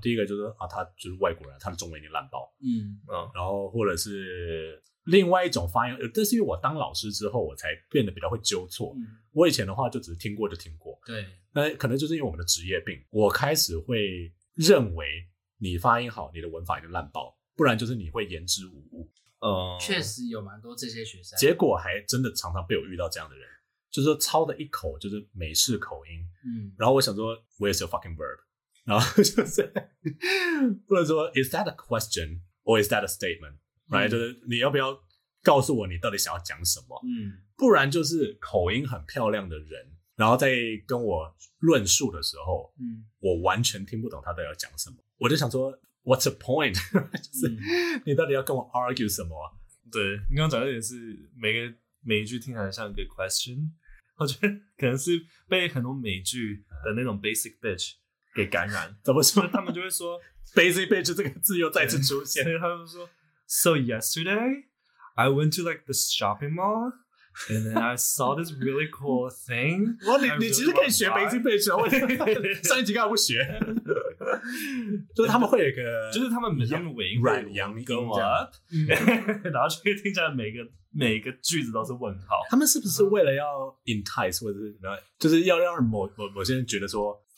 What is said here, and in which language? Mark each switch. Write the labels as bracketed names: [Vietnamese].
[Chinese] 第一个就是啊，他就是外国人，他的中文已经烂爆。然后或者是另外一种发音，但是因为我当老师之后，我才变得比较会纠错。我以前的话就只是听过就听过。对，那可能就是因为我们的职业病，我开始会认为你发音好，你的文法已经烂爆，不然就是你会言之无物。确实有蛮多这些学生，结果还真的常常被我遇到这样的人。就是说抄的一口就是美式口音，然后我想说 [English] Where's your fucking verb， [Chinese] 然后就是或者说 [English] Is that a question or is that a statement， right？ [Chinese] 就是你要不要告诉我你到底想要讲什么，不然就是口音很漂亮的人，然后在跟我论述的时候，我完全听不懂他到底要讲什么，我就想说 [English] What's the point？ [Chinese] 就是你到底要跟我 argue 什么。对，你刚刚讲的也是每一句听起来像一个 question， 我觉得可能是被很多美剧的那种 basic bitch 给感染。怎么说？他们就会说 basic bitch 这个字又再次出现。所以他们说 [English] ，So yesterday I went to like the shopping mall and then I saw this really cool thing 。 [Chinese] 哇，你其实可以学 basic bitch 啊！我上一集干嘛不学？就是他们会有一个，就是他们每天尾音软洋音，然后就听起来每一个句子都是问号。他们是不是为了要 entice 或者是然后就是要让某些人觉得说，